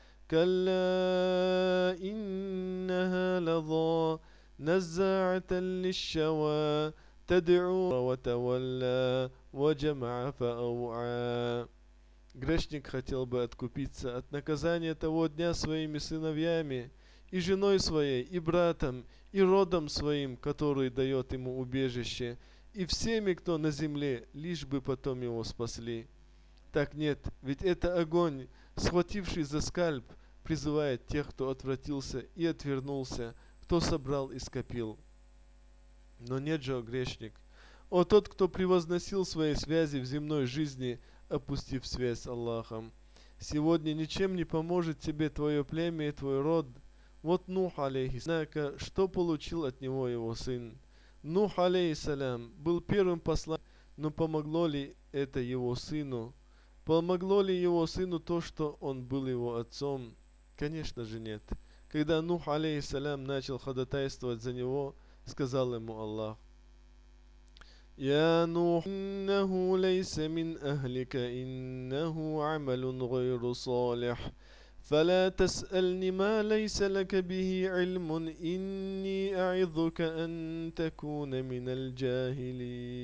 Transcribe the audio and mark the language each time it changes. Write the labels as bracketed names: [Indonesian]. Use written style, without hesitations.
[Arabic] كلا إنها لظى نزاعة للشوى تدعو وتولى وَجَمَعَ فَأَوْعَى. [Russian] Грешник хотел бы откупиться от наказания того дня своими сыновьями и женой своей, и братом, и родом своим, который дает ему убежище, и всеми, кто на земле, лишь бы потом его спасли. Так нет, ведь это огонь, схвативший за скальп, призывает тех, кто отвратился и отвернулся, кто собрал и скопил. Но нет же, о грешник, о тот, кто превозносил свои связи в земной жизни, опустив связь с Аллахом. Сегодня ничем не поможет тебе твое племя и твой род. Вот Нух, алейхиссалям, что получил от него его сын. Нух, алейхиссалям, был первым посланником, но помогло ли это его сыну? Помогло ли его сыну то, что он был его отцом? Конечно же нет. Когда Нух, алейхиссалям, начал ходатайствовать за него, сказал ему Аллах: [Arabic] يا نوح إنه ليس من أهلك إنه عمل غير صالح فلا تسألني ما ليس لك به علم إني أعظك أن تكون من الجاهلين.